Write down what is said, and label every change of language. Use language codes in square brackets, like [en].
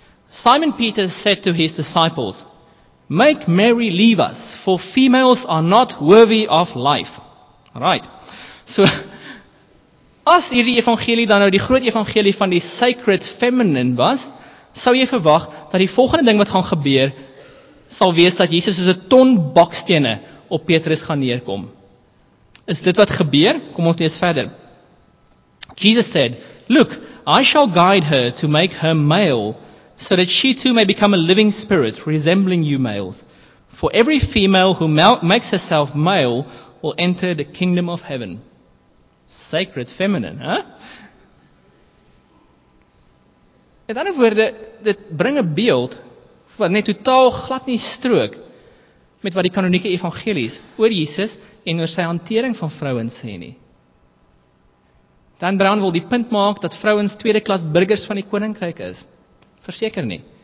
[en] Simon Peter said to his disciples, "Make Mary leave us, for females are not worthy of life." Right. [af] So, as hierdie evangelie dan nou die groot evangelie van die sacred feminine was, sou jy verwag dat die volgende ding wat gaan gebeur, sal wees dat Jesus soos 'n ton bakstene op Petrus gaan neerkom. Is dit wat gebeur? Kom ons lees verder. [en] Jesus said, "Look, I shall guide her to make her male, so that she too may become a living spirit resembling you males. For every female who makes herself male will enter the kingdom of heaven." Sacred feminine, huh? [af] In ander woorde, dit bring 'n beeld wat net totaal glad nie strook met wat die kanonieke evangelies oor Jesus en oor sy hantering van vrouens sê nie. Dan Brown wil die punt maak dat vrouens tweede klas burgers van die koninkryk is. Verseker nie.